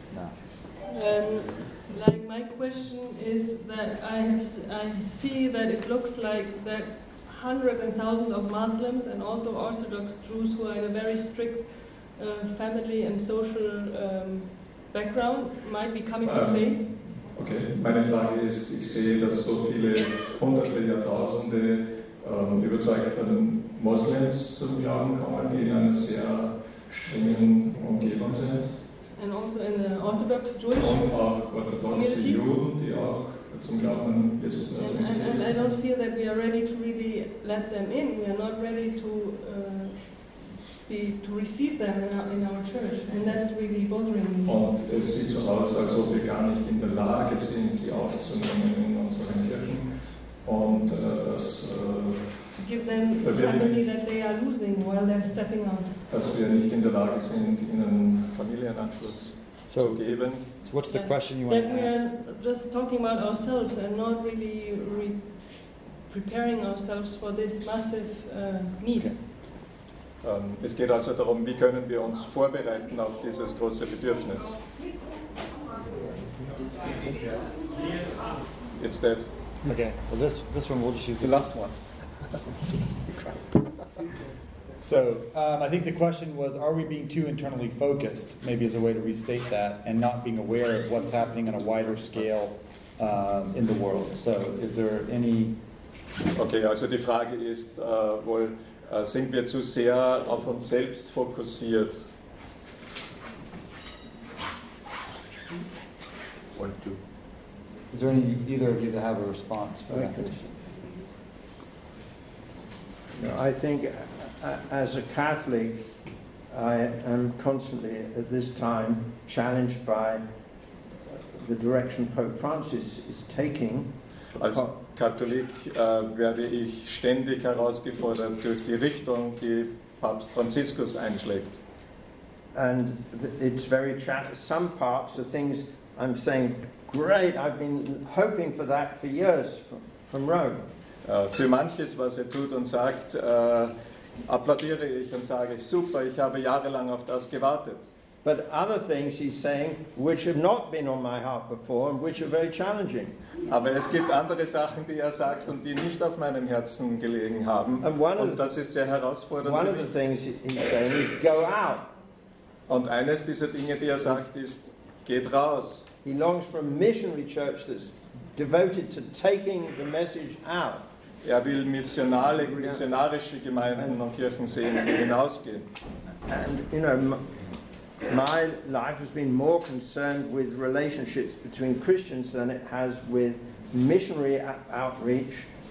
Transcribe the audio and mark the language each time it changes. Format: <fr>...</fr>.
<en>No. My question is that I see that it looks like that hundreds and thousands of Muslims and also Orthodox Jews who are in a very strict family and social background might be coming to faith.</en> <de>Okay, meine Frage ist, ich sehe, dass so viele Hunderte, Jahrtausende überzeugten Muslims zum Glauben kommen, die in einer sehr strengen Umgebung sind.</de> <en>And also in the Orthodox Jewish community,</en> <de>die auch zum Glauben Jesus Christus sind.</de> <en>And I don't feel that we are ready to really let them in. We are not ready to receive them in our church, and that's really bothering me.</en> <de>Und es sieht so aus, als ob wir gar nicht in der Lage sind, sie aufzunehmen in unseren Kirchen. Und das</de> <en>give them family that they are losing while they're stepping out.</en> <de>Dass wir nicht in der Lage sind, ihnen Familienanschluss zu geben.</de> <en>So what's the question you want to ask? That we are just talking about ourselves and not really preparing ourselves for this massive need. Okay.</en> <de>Es geht also darum, wie können wir uns vorbereiten auf dieses große Bedürfnis.</de> <en>It's dead. Okay, well this one we'll just use. The last one. So, I think the question was, are we being too internally focused, maybe as a way to restate that, and not being aware of what's happening on a wider scale in the world? So, is there any...</en> <de>Okay, also die Frage ist wohl... sind wir zu sehr auf uns selbst fokussiert?</de> <en>One, two. Is there any either of you that have a response? Okay. No, I think as a Catholic, I am constantly at this time challenged by the direction Pope Francis is taking.</en> <de>Als Katholik werde ich ständig herausgefordert durch die Richtung, die Papst Franziskus einschlägt.</de> <en>And it's very some parts of things I'm saying, great, I've been hoping for that for years from Rome.</en> <de>Für manches, was er tut und sagt, applaudiere ich und sage, super, ich habe jahrelang auf das gewartet.</de> <en>But other things he's saying, which have not been on my heart before, and which are very challenging.</en> <de>Aber es gibt andere Sachen, die er sagt und die nicht auf meinem Herzen gelegen haben.</de> <en>And</en> <de>das ist sehr herausfordernd.</de> <en>One of the things he's saying is go out.</en> <de>Und eines dieser Dinge, die er sagt, ist geht raus.</de> <en>He longs for a missionary church that's devoted to taking the message out.</en> <de>Er will missionarische Gemeinden und Kirchen sehen, die hinausgehen.</de> <en>And you know. My life has been more concerned with relationships between Christians than it has with missionary outreach.</en>